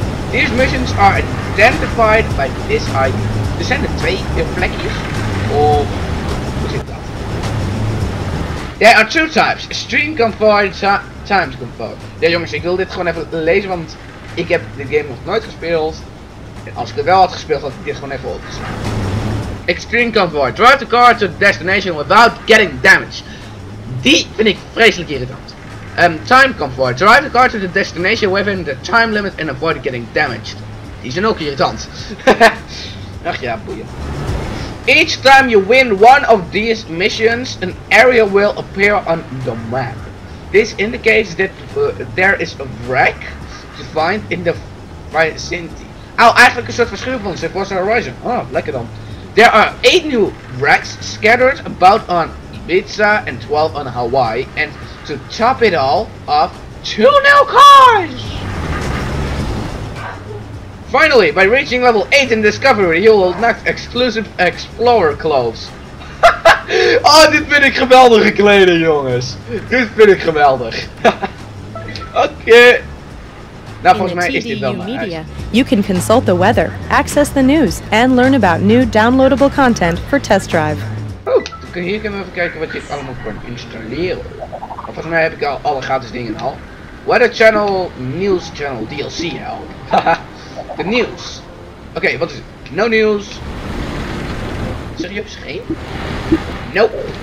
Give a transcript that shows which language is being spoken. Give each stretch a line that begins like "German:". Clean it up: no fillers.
English: These missions are identified by this ID.
Dutch: Er zijn er 2 vlekjes. Of, hoe zit dat?
English: There are 2 types. Stream Comfort, Times Comfort.
Dutch: Ja jongens, ik wil dit gewoon even lezen, want ik heb de game nog nooit gespeeld. En als ik het wel had gespeeld, had ik dit gewoon even opgeslagen.
English: Extreme Comfort. Drive the car to the destination without getting damaged.
Dutch: Die vind ik vreselijk irritant.
English: Time Comfort. Drive the car to the destination within the time limit and avoid getting damaged.
Dutch: Die zijn ook irritant. Ach ja, boeien.
English: Each time you win one of these missions, an area will appear on the map. This indicates that there is a wreck to find in the vicinity.
Dutch: Oh, eigenlijk een soort verschil van Forza Horizon. Oh, lekker dan.
English: There are 8 new wrecks scattered about on Ibiza and 12 on Hawaii, and to top it all off, 2 new cars! Finally, by reaching level 8 in Discovery, you will unlock exclusive explorer clothes.
Dutch: Oh, dit vind ik geweldige kleding, jongens. Dit vind ik geweldig. Okay. Nou, volgens mij is dit wel mijn huis.
English: You can consult the weather, access the news, and learn about new downloadable content for Test Drive.
Dutch: Oh, hier kunnen we even kijken wat je allemaal kan installeren. Volgens mij heb ik al alle gratis dingen al.
English: Weather Channel, News Channel, DLC help.
Dutch: De nieuws. Oké, wat is het?
English: No news.
Dutch: Serieus, geen?
English: Nope.